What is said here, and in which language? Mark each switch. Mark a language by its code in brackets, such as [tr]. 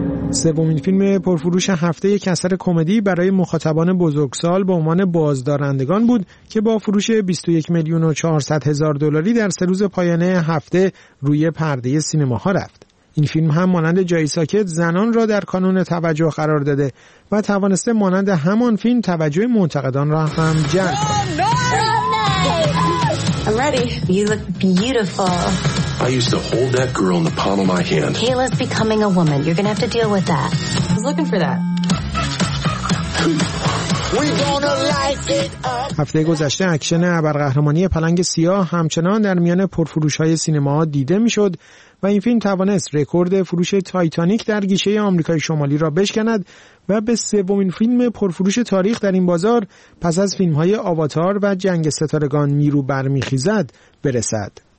[fa] سومین فیلم پرفروش هفته یک اثر کمدی برای مخاطبان بزرگسال به عنوان بازدارندگان بود که با فروش 21 میلیون و 400 هزار دلاری در 3 روز پایانه هفته روی پرده سینماها رفت. این فیلم هم مانند جای ساکت زنان را در کانون توجه قرار داده و توانسته مانند همان فیلم توجه منتقدان را هم جلب کند. [en] I'm ready. You look beautiful. I used to hold that girl in the palm of my hand. Kayla's becoming a woman. You're gonna have to deal with that. Who's looking for that? [fa] هفته گذشته اکشن ابرقهرمانی پلنگ سیاه همچنان در میان پرفروش‌های سینما دیده می‌شد و این فیلم توانست رکورد فروش تایتانیک در گیشه آمریکای شمالی را بشکند و به 3 فیلم پرفروش تاریخ در این بازار پس از فیلم‌های آواتار و جنگ ستارگان نیرو برمی‌خیزد برسد.